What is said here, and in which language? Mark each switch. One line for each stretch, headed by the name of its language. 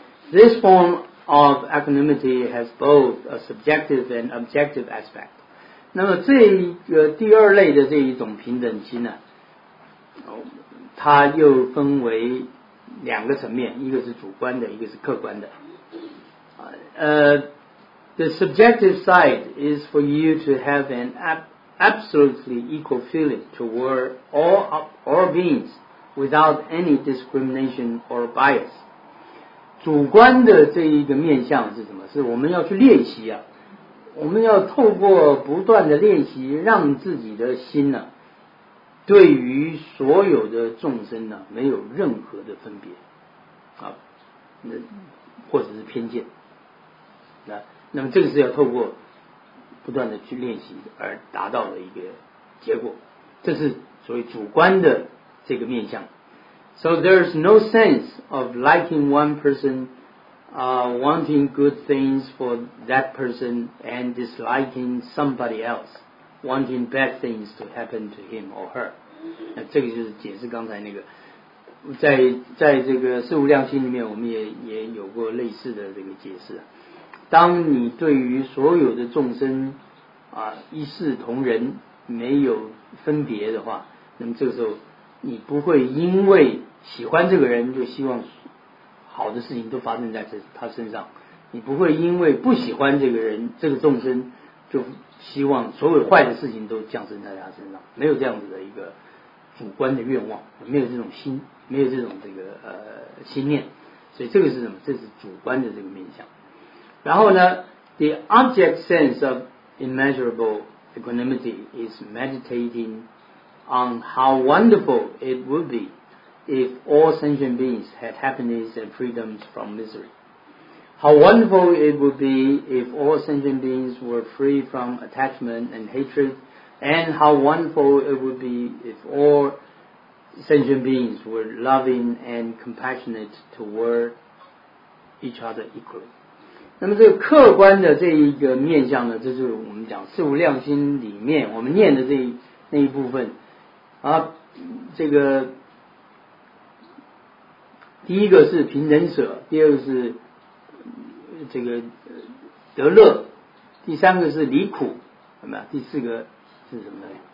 English: This form of equanimity has both a subjective and objective aspect。
Chinese: 那么这个第二类的这一种平等心呢，它又分为两个层面，一个是主观的，一个是客观的。啊，
English: the subjective side is for you to have an absolutely equal feeling toward all beings without any discrimination or bias.
Chinese: 主观的这一个面向是什么？是我们要去练习啊，我们要透过不断的练习，让自己的心呢、啊，对于所有的众生呢、啊，没有任何的分别啊，那或者是偏见。那么这个是要透过不断的去练习而达到的一个结果，这是所谓主观的这个面向。
English: So there is no sense of liking one person, wanting good things for that person, and disliking somebody else, wanting bad things to happen to him or her.
Chinese: 那这个就是解释刚才那个，在这个事无量心里面，我们也有过类似的这个解释。当你对于所有的众生啊一视同仁，没有分别的话，那么这个时候你不会因为喜欢这个人就希望好的事情都发生在他身上，你不会因为不喜欢这个人这个众生就希望所有坏的事情都降生在他身上，没有这样子的一个主观的愿望，没有这种心，没有这种这个心念。所以这个是什么？这是主观的这个面向。然后呢
English: The object sense of immeasurable equanimity is meditating on how wonderful it would beIf all sentient beings had happiness and freedom from misery. How wonderful it would be if all sentient beings were free from attachment and hatred, and how wonderful it would be if all sentient beings were loving and compassionate toward each other equally.
Chinese: 那么这个客观的这一个面向呢，这就是我们讲事无量心里面我们念的那一部分啊，这个第一个是平等舍，第二个是这个得乐，第三个是离苦，第四个是什么呢？